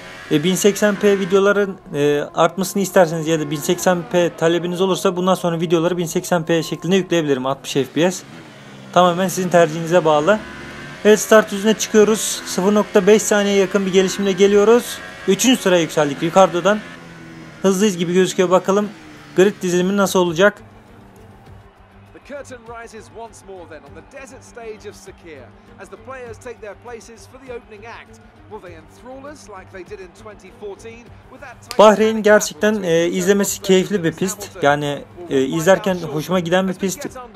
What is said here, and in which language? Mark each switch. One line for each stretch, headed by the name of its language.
Turkish: 1080p videoların artmasını isterseniz ya da 1080p talebiniz olursa bundan sonra videoları 1080p şeklinde yükleyebilirim, 60 fps. Tamamen sizin tercihinize bağlı. Evet, start yüzüne çıkıyoruz. 0.5 saniye yakın bir gelişimle geliyoruz. 3. sıraya yükseldik Ricardo'dan. Hızlıyız gibi gözüküyor, bakalım grid dizilimi nasıl olacak.
English: Curtain rises once more then on the desert stage of Sakhir as the players take their places for the opening act. Will they enthrall us like they did in 2014?
Turkish: Bahreyn gerçekten izlemesi keyifli bir pist. Yani izlerken hoşuma giden bir pist.